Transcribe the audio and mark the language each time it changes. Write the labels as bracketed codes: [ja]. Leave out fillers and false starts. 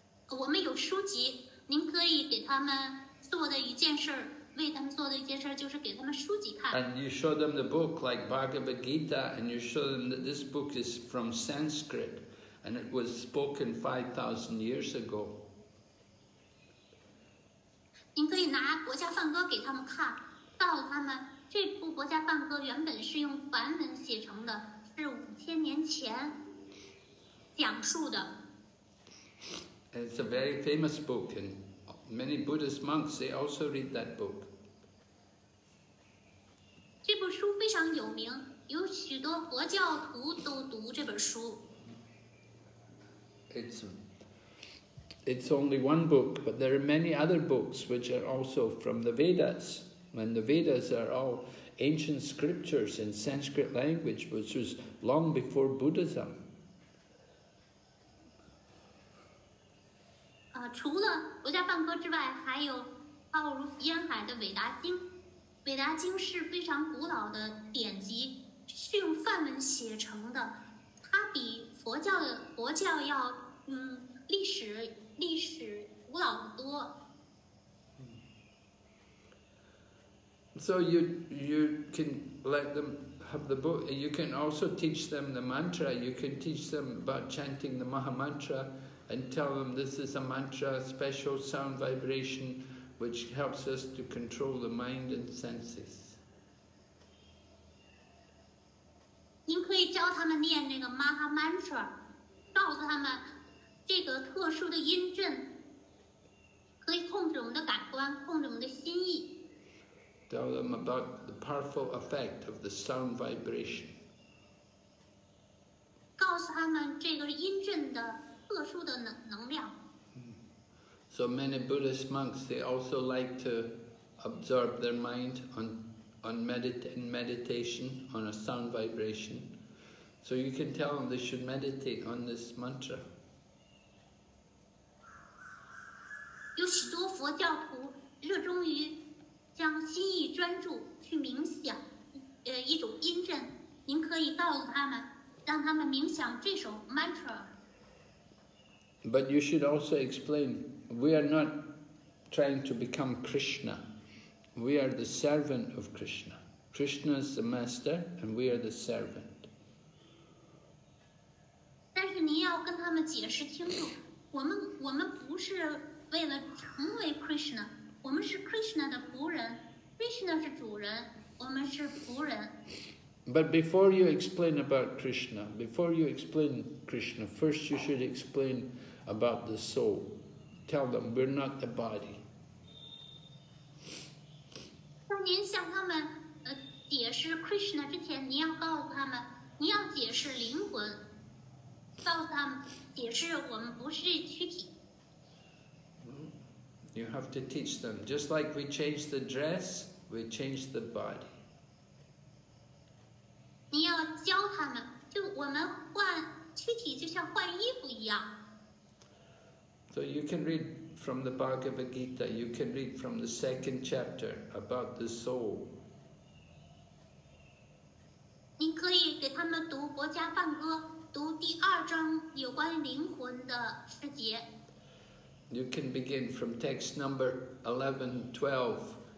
[zh] 我们有书籍，您可以给他们做的一件事，为他们做的一件事就是给他们书籍看。 [en] And you show them the book like Bhagavad Gita, and you show them that this book is from Sanskrit, and it was spoken 5,000 years ago. [zh] 您可以拿国家梵歌给他们看，告诉他们这部国家梵歌原本是用梵文写成的，是5000年前讲述的。 [en] It's a very famous book, and many Buddhist monks, they also read that book. [zh] 这部书非常有名，有许多佛教徒都读这本书。 [en] It's only one book, but there are many other books which are also from the Vedas. And the Vedas are all ancient scriptures in Sanskrit language, which was long before Buddhism. [zh] 除了国家梵歌之外，还有浩如烟海的韦达经。韦达经是非常古老的典籍，是用梵文写成的。它比佛教要历史古老的多。 [en] So you can let them have the book. You can also teach them the mantra. You can teach them about chanting the Maha Mantra, and tell them this is a mantra, special sound vibration, which helps us to control the mind and senses. [zh] 您可以教他们念这个 Maha Mantra， 告诉他们这个特殊的音阵可以控制我们的感官，控制我们的心意。 [en] Tell them about the powerful effect of the sound vibration. [zh] 告诉他们这个音阵的特殊的能量。 [en] So many Buddhist monks, they also like to absorb their mind in meditation on a sound vibration. So you can tell them they should meditate on this mantra. [zh] 有许多佛教徒热衷于将心意专注去冥想，一种音阵，您可以告诉他们，让他们冥想这首 mantra。 [en] But you should also explain, we are not trying to become Krishna. We are the servant of Krishna. Krishna is the master, and we are the servant. [zh] 但是您要跟他们解释清楚，我们不是为了成为 Krishna， 我们是 Krishna 的仆人。 Krishna 是主人，我们是仆人。 [en] But before you explain about Krishna, before you explain Krishna, first you should explain about the soul. Tell them we're not the body. [zh] 当您向他们解释 Krishna 之前，您要告诉他们，您要解释灵魂，告诉他们解释我们不是躯体。 [en] You have to teach them, just like we change the dress, we change the body. [zh] 您要教他们，就我们换躯体就像换衣服一样。 [en] So you can read from the Bhagavad Gita, you can read from the second chapter about the soul. You can begin from text number 11, 12.